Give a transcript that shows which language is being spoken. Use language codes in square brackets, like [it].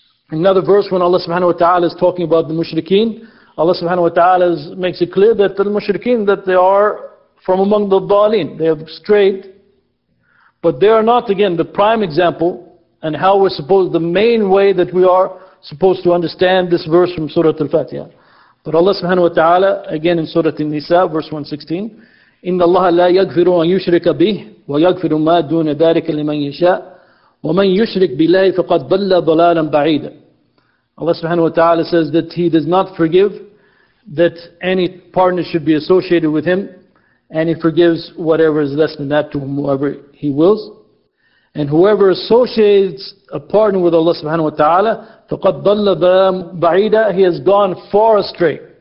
[en] Another verse when Allah subhanahu wa ta'ala is talking about the mushrikeen, Allah subhanahu wa ta'ala makes it clear that the mushrikeen, that they are from among the dhalin, they have strayed, but they are not, again, the prime example, and how we're supposed, the main way that we are supposed to understand this verse from Surah Al-Fatiha. But Allah subhanahu wa ta'ala, again in Surah An-Nisa, verse 116, [ar] إِنَّ اللَّهَ لَا يَغْفِرُ أَن يُشْرِكَ بِهِ وَيَغْفِرُ مَا دُونَ ذَلِكَ لِمَنْ يَشَاءُ وَمَنْ يُشْرِكْ بِاللَّهِ فَقَدْ ضَلَّ ضَلَالًا بَعِيدًا. [en] Allah subhanahu wa ta'ala says that He does not forgive that any partner should be associated with Him, and He forgives whatever is less than that to whoever He wills. And whoever associates a partner with Allah subhanahu wa ta'ala, [ar] فَقَدْ ضَلَّ بَعِيدًا, [en] he has gone far astray.